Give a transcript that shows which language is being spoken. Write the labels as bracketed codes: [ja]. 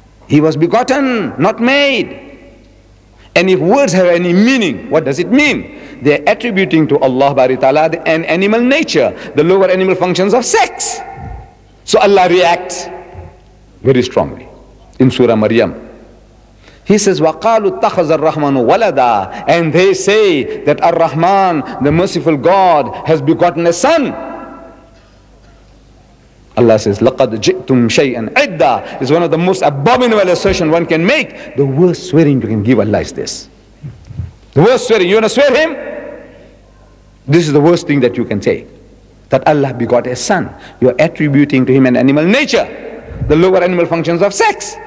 [en] He was begotten, not made. And if words have any meaning, what does it mean? They're attributing to Allah Bari Ta'ala an animal nature, the lower animal functions of sex. So Allah reacts very strongly in Surah Maryam. He says, [ar] وَقَالُوا اتَّخَذَ الرَّحْمَنُ وَلَدًا. [en] And they say that Ar-Rahman, the merciful God, has begotten a son. Allah says, [ar] لَقَدْ جِئْتُمْ شَيْئًا عِدًّا. [en] It's one of the most abominable assertions one can make. The worst swearing you can give Allah is this. The worst swearing. You want to swear him? This is the worst thing that you can say. That Allah begot a son. You're attributing to him an animal nature. The lower animal functions of sex.